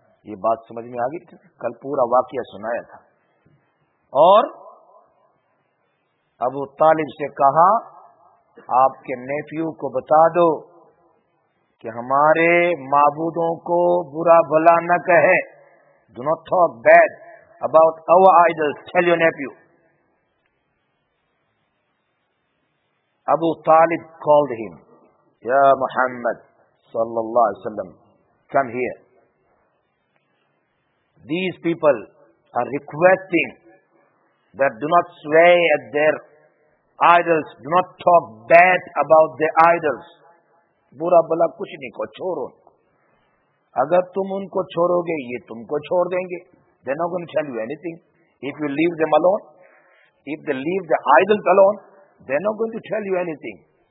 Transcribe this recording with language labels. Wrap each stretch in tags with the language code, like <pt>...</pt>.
<ur>یہ بات سمجھ میں آگئی تھی، کل پورا واقعہ سنایا تھا. اور ابو طالب سے کہا، آپ کے نیفیو کو بتا دو کہ ہمارے معبودوں کو برا بھلا نہ کہے.</ur> <en>Do not talk bad about our idols, tell your nephew. Abu Talib called him، یا محمد صلی اللہ علیہ وسلم، come here. These people are requesting that do not sway at their idols, do not talk bad about their idols.</en> <ur>Bura bala kuch nahi ko, choro. اگر تم ان کو چھوڑو گے یہ تم کو چھوڑ دیں گے.</ur> <en>They not going to tell you anything if you leave them alone. If they leave the idols alone they not going to tell you anything.</en>